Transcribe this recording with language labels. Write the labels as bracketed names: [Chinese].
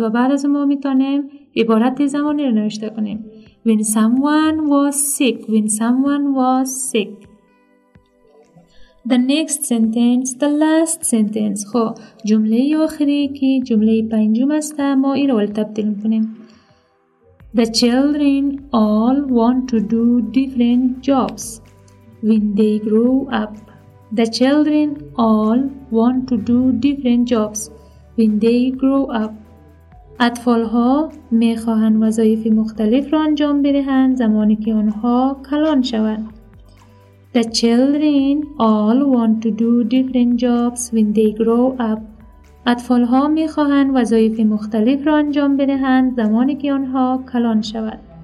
[Persian] و بعد از ما میتونیم عبارت زمانی را نوشته کنیم. [English] When someone was sick. When someone was sick. The next sentence. The last sentence. [Persian] خب جمله آخری که جمله پنجم است ما این رو تبدیل کنیم. [English] The children all want to do different jobs when they grow up. The children all want to do different jobs when they grow up. [Persian] اطفالها میخواهند وظایف مختلف را انجام بدهند زمانی که آنها کلان شوند. [English] The children all want to do different jobs when they grow up. [Persian] اطفالها میخواهند وظایف مختلف را انجام بدهند زمانی که آنها کلان شوند.